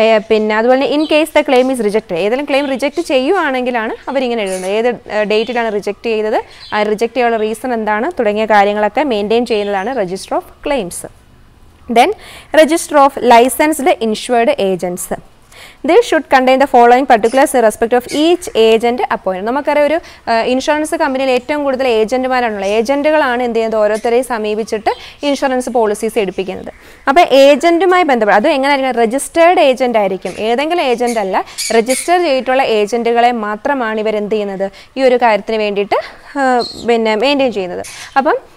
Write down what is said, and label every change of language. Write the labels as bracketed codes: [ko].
[ml] പിന്നെ അതുപോലെ തന്നെ [en] in case the claim is reject, [ml] ഏതെങ്കിലും ക്ലെയിം റിജക്റ്റ് ചെയ്യുവാണെങ്കിലാണ് അവരിങ്ങനെ എഴുതുന്നത്, ഏത് ഡേറ്റിലാണ് റിജക്റ്റ് ചെയ്തത്, ആ റിജക്റ്റ് ചെയ്യാനുള്ള റീസൺ എന്താണ് തുടങ്ങിയ കാര്യങ്ങളൊക്കെ മെയിൻറ്റെയിൻ ചെയ്യുന്നതാണ് register of claims. [en] Then register of licensed insured agents. This should contain the following particulars in respect of each agent appointed. [ml] നമുക്കറിയാം ഒരു ഇൻഷുറൻസ് കമ്പനിയിൽ ഏറ്റവും കൂടുതൽ ഏജൻറ്റുമാരാണുള്ളത്. ഏജൻറ്റുകളാണ് എന്ത് ചെയ്യുന്നത്, ഓരോരുത്തരെയും സമീപിച്ചിട്ട് ഇൻഷുറൻസ് പോളിസീസ് എടുപ്പിക്കുന്നത്. അപ്പോൾ ഏജൻറ്റുമായി ബന്ധപ്പെട്ട് അത് എങ്ങനെയായിരിക്കും, രജിസ്റ്റേർഡ് ഏജൻ്റ് ആയിരിക്കും, ഏതെങ്കിലും ഏജൻ്റ് അല്ല, രജിസ്റ്റർ ചെയ്തിട്ടുള്ള ഏജൻറ്റുകളെ മാത്രമാണ് ഇവർ എന്ത് ചെയ്യുന്നത് ഈ ഒരു കാര്യത്തിന് വേണ്ടിയിട്ട് പിന്നെ മെയിൻറ്റെയിൻ ചെയ്യുന്നത്. അപ്പം